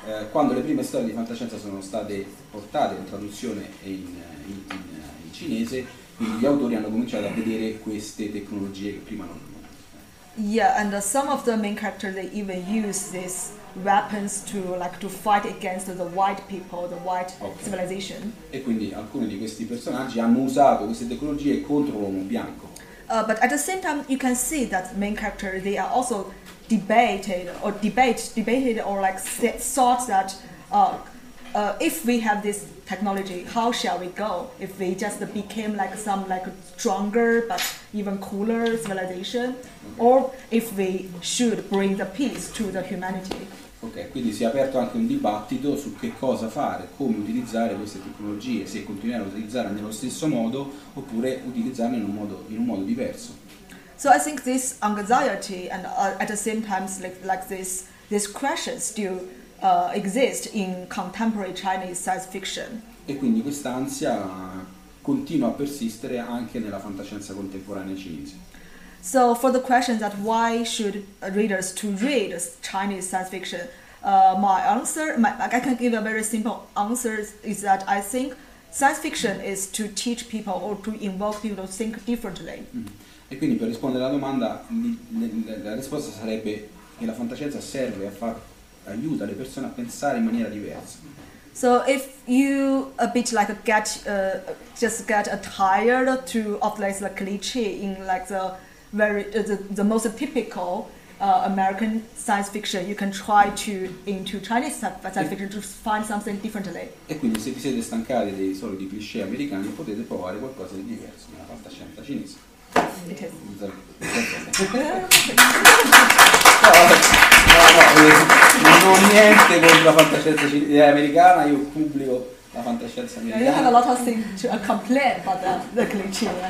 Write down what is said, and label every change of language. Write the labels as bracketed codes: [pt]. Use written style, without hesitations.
[it] Quando le prime storie di fantascienza sono state portate in traduzione in cinese, quindi gli autori hanno cominciato a vedere queste tecnologie che prima non. [en] Yeah, and some of the main characters they even use these weapons to fight against the white people, the white civilization. [it] E quindi alcuni di questi personaggi hanno usato queste tecnologie contro l'uomo bianco. [en] But at the same time, you can see that main characters they are also debated or thought that if we have this technology, how shall we go? If we just became like some like stronger but even cooler civilization, or if we should bring the peace to the humanity. [it] Ok, quindi si è aperto anche un dibattito su che cosa fare, come utilizzare queste tecnologie, se continuare a utilizzarle nello stesso modo oppure utilizzarle in un modo diverso. [en] So I think this anxiety and at the same time this question still exist in contemporary Chinese science fiction. [it] E quindi questa ansia continua a persistere anche nella fantascienza contemporanea cinese. [en] So for the question that why should readers to read Chinese science fiction, I can give a very simple answer is that I think science fiction is to teach people or to involve people to think differently. [it] E quindi per rispondere alla domanda, la risposta sarebbe che la fantascienza serve a far aiuta le persone a pensare in maniera diversa. [en] So if you a bit like get tired of the cliché in like the very the most typical American science fiction, you can try to into Chinese science fiction to find something differently. [it] E quindi se vi siete stancati dei soliti cliché americani, potete provare qualcosa di diverso nella fantascienza cinese. No, non ho niente contro la fantascienza americana, io pubblico la fantascienza americana. [en] You have a lot of things to complain about the cliché.